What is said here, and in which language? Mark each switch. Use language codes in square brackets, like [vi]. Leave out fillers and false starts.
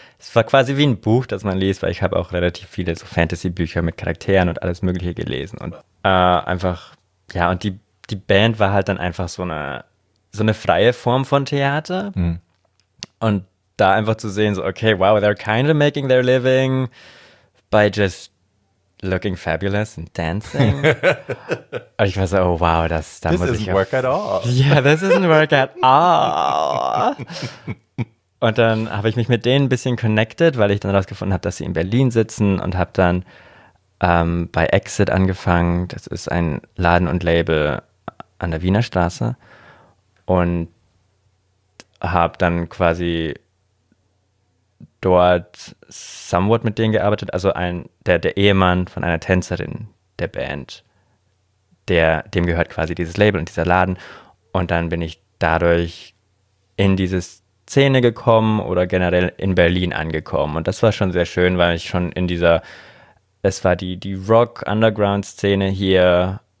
[de] Es war quasi wie ein Buch, das man liest, weil ich habe auch relativ viele so Fantasy-Bücher mit Charakteren und alles Mögliche gelesen und einfach, ja, und die Band war halt dann einfach so eine freie Form von Theater und da einfach zu sehen, so, okay, wow, [en] they're kind of making their living by just looking fabulous and dancing. [de] Ich war so, oh, wow, das muss ich auch. [en] This doesn't work at all. Yeah, this doesn't work at all. [de] Und dann habe ich mich mit denen ein bisschen connected, weil ich dann rausgefunden habe, dass sie in Berlin sitzen und habe dann bei Exit angefangen. Das ist ein Laden und Label an der Wiener Straße. Und habe dann quasi dort somewhat mit denen gearbeitet, also der Ehemann von einer Tänzerin der Band, dem gehört quasi dieses Label und dieser Laden und dann bin ich dadurch in diese Szene gekommen oder generell in Berlin angekommen und das war schon sehr schön, weil ich schon in dieser, es war die Rock-Underground-Szene hier,